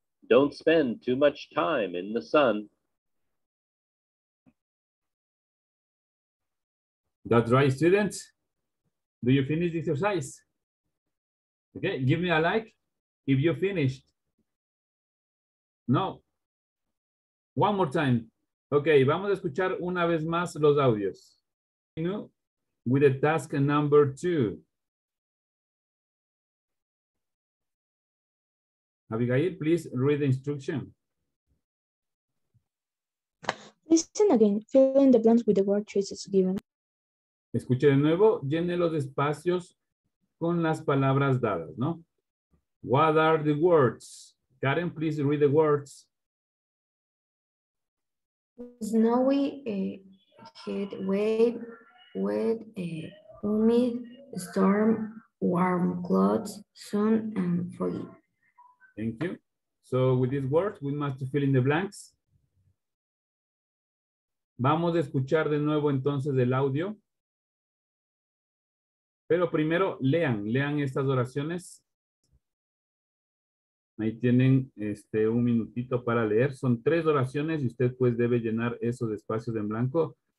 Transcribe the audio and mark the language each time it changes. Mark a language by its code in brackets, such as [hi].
[en] Don't spend too much time in the sun. That's right, students. Do you finish the exercise? Okay, give me a like if you finished. No. One more time. [es] Okay, vamos a escuchar una vez más los audios. [en] Continue with the task number two. Abigail, please read the instruction. Listen again, fill in the blanks with the word choices given. [es] Escuche de nuevo, llene los espacios con las palabras dadas, ¿no? [en] What are the words? Karen, please read the words. Snowy, heat wave, wet, humid, storm, warm clothes, sun, and foggy. Thank you. So with these words, we must fill in the blanks. [es] Vamos a escuchar de nuevo entonces el audio. Pero primero lean estas oraciones. Ahí tienen un minutito para leer. Son tres oraciones y usted pues debe llenar esos espacios en blanco.